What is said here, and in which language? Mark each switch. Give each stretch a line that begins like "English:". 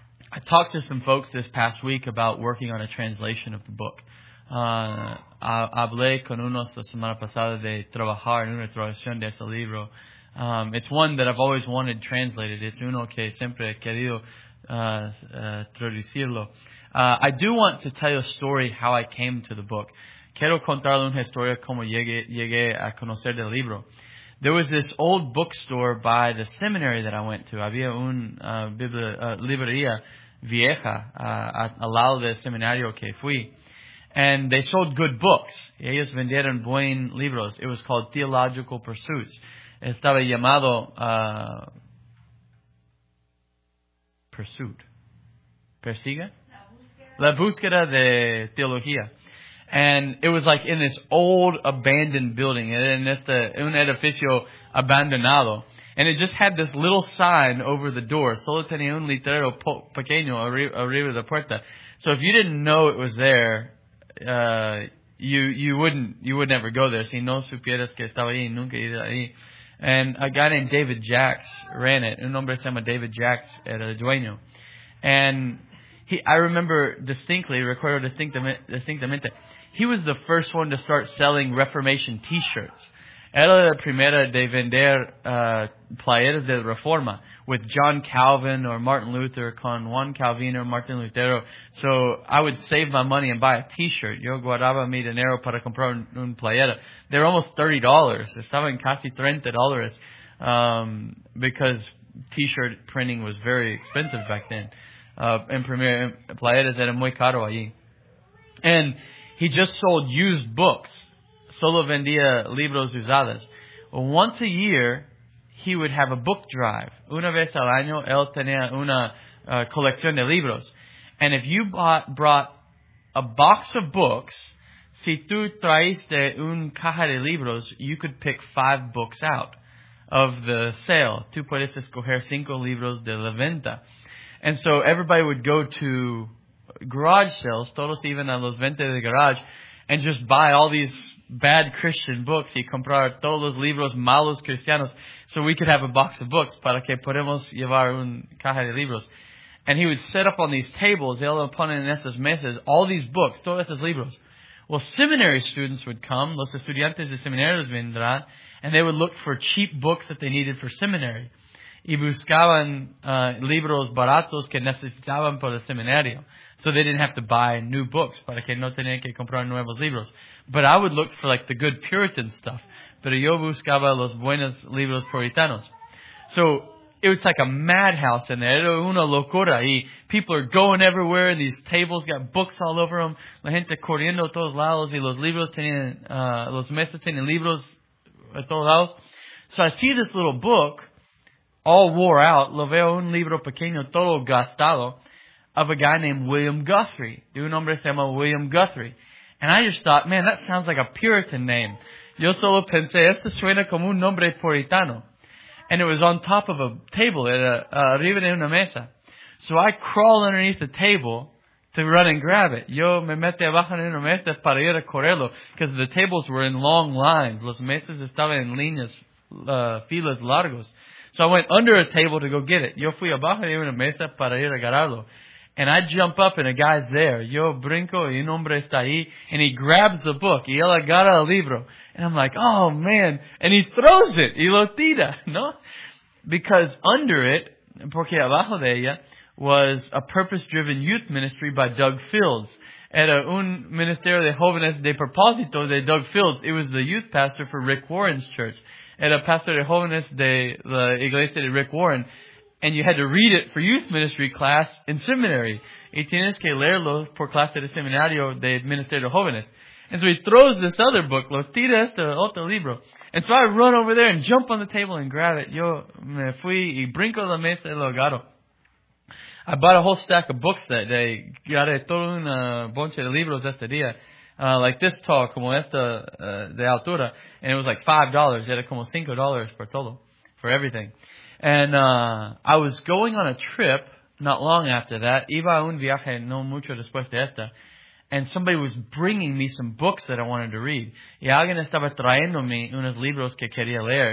English: I talked to some folks this past week about working on a translation of the book.
Spanish: Hablé con unos la semana pasada de trabajar en una traducción de este libro.
English: It's one that I've always wanted translated.
Spanish: It's uno que siempre he querido traducirlo.
English: I do want to tell you a story how I came to the book.
Spanish: Quiero contarle una historia como llegué a conocer del libro.
English: There was this old bookstore by the seminary that I went to.
Spanish: Había un librería vieja al lado del seminario que fui.
English: And they sold good books.
Spanish: Ellos vendieron buen libros.
English: It was called Theological Pursuits.
Spanish: Estaba llamado Pursuit. Persiga? La búsqueda de teología.
English: And it was like in this old abandoned building.
Spanish: En este, un edificio abandonado.
English: And it just had this little sign over the door.
Spanish: Solo tenía un letrero pequeño arriba de la puerta.
English: So if you didn't know it was there, you would never go there.
Spanish: Si no supieras que estaba ahí, nunca iría ahí.
English: And a guy named David Jacks ran it.
Spanish: Un hombre se llama David Jacks era el dueño.
English: And I remember distinctly,
Spanish: recuerdo distintamente,
English: he was the first one to start selling Reformation t-shirts.
Spanish: Era la primera de vender playeras de Reforma
English: with John Calvin or Martin Luther,
Spanish: con Juan Calvino or Martin Lutero.
English: So I would save my money and buy a t-shirt.
Spanish: Yo guardaba mi dinero para comprar un playera.
English: They were almost $30.
Spanish: Estaban casi $30
English: because t-shirt printing was very expensive back then.
Spanish: En primer playeras era muy caro allí.
English: And he just sold used books.
Spanish: Solo vendía libros usados.
English: Once a year, he would have a book drive.
Spanish: Una vez al año, él tenía una colección de libros.
English: And if you brought a box of books,
Spanish: si tú traiste una caja de libros,
English: you could pick 5 books out of the sale.
Spanish: Tú puedes escoger 5 libros de la venta.
English: And so everybody would go to garage sales,
Spanish: todos iban a los ventas de garage,
English: and just buy all these bad Christian books
Spanish: y comprar todos los libros malos cristianos
English: so we could have a box of books
Spanish: para que podamos llevar una caja de libros.
English: And he would set up on these tables,
Spanish: él lo pone en esas mesas,
English: all these books,
Spanish: todos esos libros.
English: Well, seminary students would come,
Spanish: los estudiantes de seminarios vendrán,
English: and they would look for cheap books that they needed for seminary.
Spanish: Y buscaban libros baratos que necesitaban para el seminario.
English: So they didn't have to buy new books
Spanish: para que no tenían que comprar nuevos libros.
English: But I would look for like the good Puritan stuff.
Spanish: Pero yo buscaba los buenos libros puritanos.
English: So it was like a madhouse in there.
Spanish: Era una locura.
English: Y people are going everywhere. And these tables got books all over them.
Spanish: La gente corriendo a todos lados. Y los libros tenían, los mesas tenían libros a todos lados.
English: So I see this little book, all wore out,
Spanish: lo veo un libro pequeño, todo gastado,
English: of a guy named William Guthrie.
Spanish: De un hombre se llama William Guthrie.
English: And I just thought, man, that sounds like a Puritan name.
Spanish: Yo solo pensé, esto suena como un nombre puritano.
English: And it was on top of a table,
Spanish: arriba de una mesa.
English: So I crawl underneath the table to run and grab it.
Spanish: Yo me meto abajo de una mesa para ir a correrlo,
English: because the tables were in long lines.
Spanish: Los mesas estaban en líneas, filas largos.
English: So I went under a table to go get it.
Spanish: Yo fui abajo de una mesa para ir a agarrarlo.
English: And I jump up and a guy's there.
Spanish: Yo brinco y un hombre está ahí.
English: And he grabs the book.
Spanish: Y él agarra el libro.
English: And I'm like, oh man. And he throws it.
Spanish: Y lo tira, ¿no?
English: Because under it,
Spanish: porque abajo de ella,
English: was a purpose-driven youth ministry by Doug Fields.
Spanish: Era un ministerio de jóvenes de propósito de Doug Fields.
English: It was the youth pastor for Rick Warren's church.
Spanish: Era pastor de jóvenes de la iglesia de Rick Warren.
English: And you had to read it for youth ministry class in seminary.
Spanish: Y tienes que leerlo por clase de seminario de ministerio de jóvenes.
English: And so he throws this other book,
Spanish: lo tira este otro libro.
English: And so I run over there and jump on the table and grab it.
Spanish: Yo me fui y brinco la mesa y lo agarro.
English: I bought a whole stack of books that day.
Spanish: Gare todo un bonche de libros este día.
English: Like this tall,
Spanish: como esta de altura.
English: And it was like $5.
Spanish: Era como $5 por todo,
English: for everything. And I was going on a trip not long after that.
Spanish: Iba a un viaje no mucho después de esta.
English: And somebody was bringing me some books that I wanted to read.
Spanish: Y alguien estaba trayéndome unos libros que quería leer.